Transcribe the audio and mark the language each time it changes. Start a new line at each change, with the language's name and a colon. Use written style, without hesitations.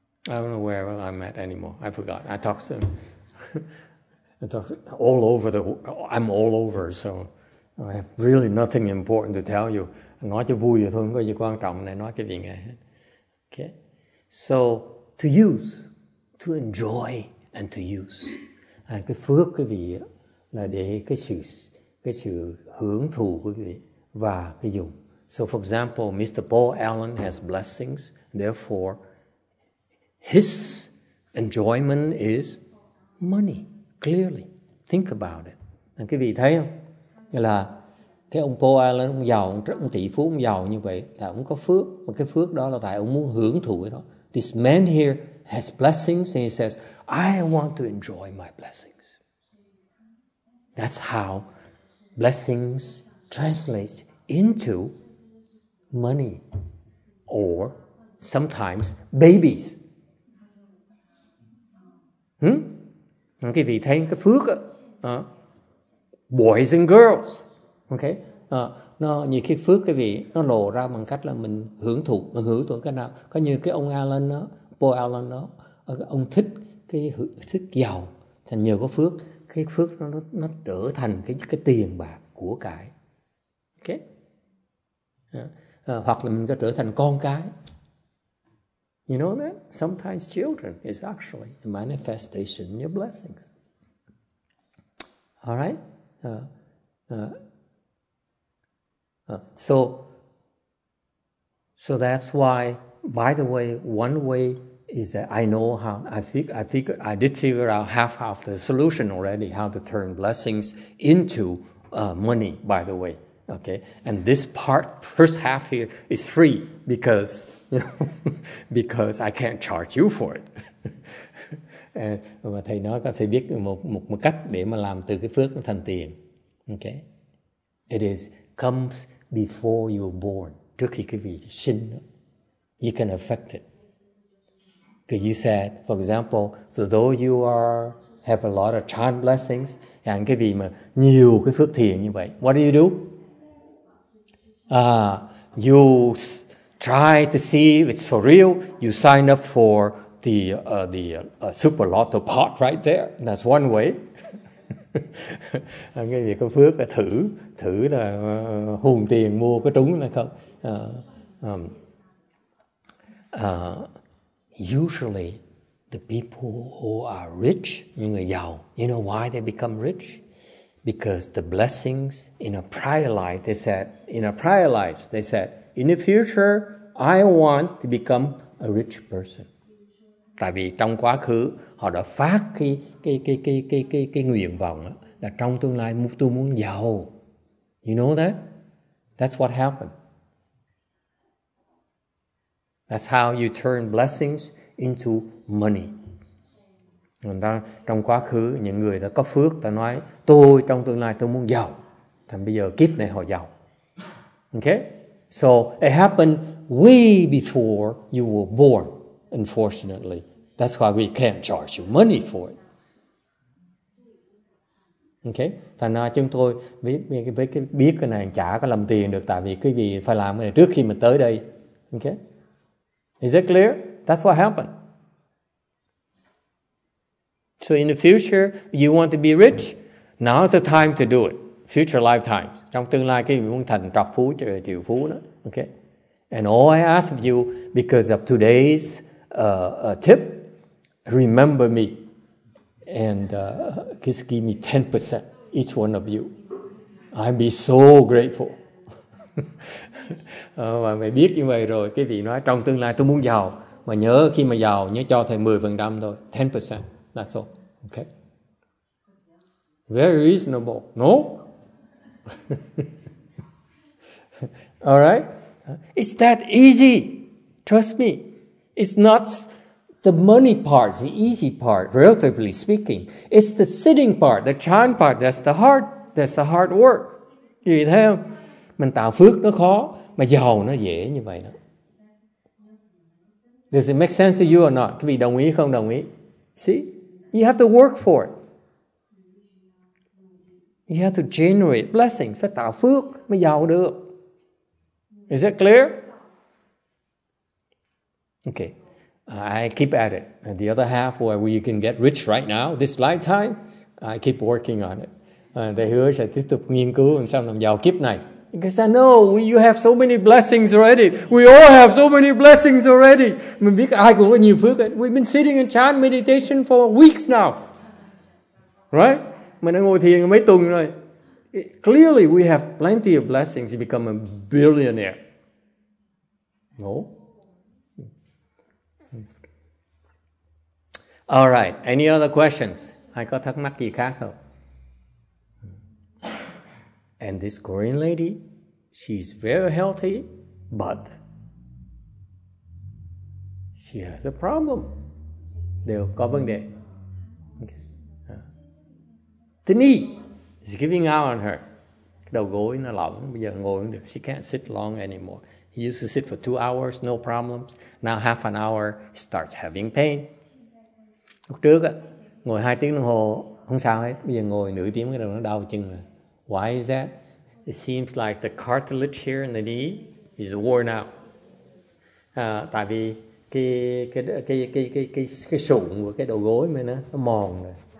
English: I don't know where I'm at anymore. I forgot. I talk soon. I'm all over, so I have really nothing important to tell you.
Vietnamese: Nói cho vui vậy thôi, không có gì quan trọng này, nói cái gì nghe.
English: Okay. So to use, to enjoy, and to use.
Vietnamese: À, cái phước quý vị là để cái sự hưởng thụ quý vị và cái dùng.
English: So for example, Mr. Paul Allen has blessings, therefore his enjoyment is money, clearly. Think about it.
Vietnamese: Quý vị thấy không? Là cái ông Paul Allen, ông giàu, ông tỷ phú, ông giàu như vậy, là ông có phước, mà cái phước đó là tại ông muốn hưởng thụ cái đó.
English: This man here has blessings, and he says, I want to enjoy my blessings. That's how blessings translate into money, or sometimes babies.
Vietnamese: Quý vị thấy cái phước đó,
English: boys and girls,
Vietnamese: okay, nó như cái phước cái vị nó lộ ra bằng cách là mình hưởng thụ, mình hưởng thụ cái nào, có như cái ông Allen đó, Paul Allen đó, ông thích cái thích giàu, thành nhờ có phước, cái phước nó trở thành cái tiền bạc của cải, okay, hoặc là mình có trở thành con cái.
English: You know that? Sometimes children is actually a manifestation of your blessings. All right? So that's why, by the way, one way is that I know how, I did figure out half of the solution already, how to turn blessings into money, by the way. Okay, and this part, first half here, is free because, you know, because I can't charge you for it.
Vietnamese: Và thầy nói các thầy biết một cách để mà làm từ cái phước nó thành tiền.
English: Okay, it is comes before you were born.
Vietnamese: Trước khi cái vị sinh,
English: you can affect it. Because you said, for example, though you have a lot of chan blessings, and
Vietnamese: cái vị mà nhiều cái phước thiện như vậy,
English: what do? You try to see if it's for real. You sign up for the super lotto pot right there. That's one way.
Vietnamese: Nghe vậy có phước là thử là hùn tiền mua có trúng hay không?
English: Usually, the people who are rich,
Vietnamese: những người giàu,
English: you know why they become rich? Because the blessings in a prior life, they said, in the future, I want to become a rich person.
Vietnamese: Tại vì trong quá khứ, họ đã phát cái nguyện vọng đó, là trong tương lai, tôi muốn giàu.
English: You know that? That's what happened. That's how you turn blessings into money.
Vietnamese: Người ta trong quá khứ những người đã có phước ta nói tôi trong tương lai tôi muốn giàu. Thì bây giờ kiếp này họ giàu.
English: Okay? So it happened way before you were born, unfortunately. That's why we can't charge you money for it. Okay?
Vietnamese: Thành ra chúng tôi với cái biết cái này chả có làm tiền được tại vì cái gì phải làm cái này trước khi mình tới đây.
English: Okay? Is it clear? That's what happened. So in the future, you want to be rich? Now's the time to do it. Future lifetimes.
Vietnamese: Trong tương lai, cái mình muốn thành trọc phú, triệu phú đó.
English: Okay? And all I ask of you, because of today's tip, remember me. And just give me 10%, each one of you. I'd be so grateful.
Vietnamese: Mà mày biết như vậy rồi, cái vị nói trong tương lai tôi muốn giàu. Mà nhớ khi mà giàu, nhớ cho thầy 10% thôi.
English: 10%. That's all. Okay. Very reasonable. No? All right? It's that easy. Trust me. It's not the money part, the easy part, relatively speaking. It's the sitting part, the chan part, that's the hard work. You
Vietnamese: thấy không? Mình tạo phước nó khó, mà giàu nó dễ như vậy đó.
English: Does it make sense to you or not?
Vietnamese: Quý vị đồng ý không đồng ý?
English: See? You have to work for it. You have to generate blessings.
Vietnamese: Phải tạo phước mới giàu được.
English: Is that clear? Okay. I keep at it. And the other half where you can get rich right now, this lifetime, I keep working on it.
Vietnamese: Thầy hứa sẽ tiếp tục nghiên cứu làm sao làm giàu kiếp này.
English: Because I know you have so many blessings already. We all have so many blessings already.
Vietnamese: Mình biết ai cũng có nhiều phước.
English: We've been sitting in chan meditation for weeks now. Right?
Vietnamese: Mình đã ngồi thiền mấy tuần rồi.
English: Clearly, we have plenty of blessings to become a billionaire. No? All right. Any other questions?
Vietnamese: Ai có thắc mắc gì khác không?
English: And this Korean lady, she's very healthy, but she has a problem.
Vietnamese: Đều có vấn đề.
English: The knee is giving out on her.
Vietnamese: Đầu gối nó lỏng, bây giờ ngồi không được.
English: She can't sit long anymore. He used to sit for 2 hours, no problems. Now half an hour, starts having pain.
Vietnamese: Lúc trước, ngồi 2 tiếng đồng hồ, không sao hết. Bây giờ ngồi nửa tiếng, cái đầu nó đau chân rồi.
English: Why is that? It seems like the cartilage here in the knee is worn out.
Vietnamese: Tại vì cái sụn của cái đầu gối mới nó mòn rồi.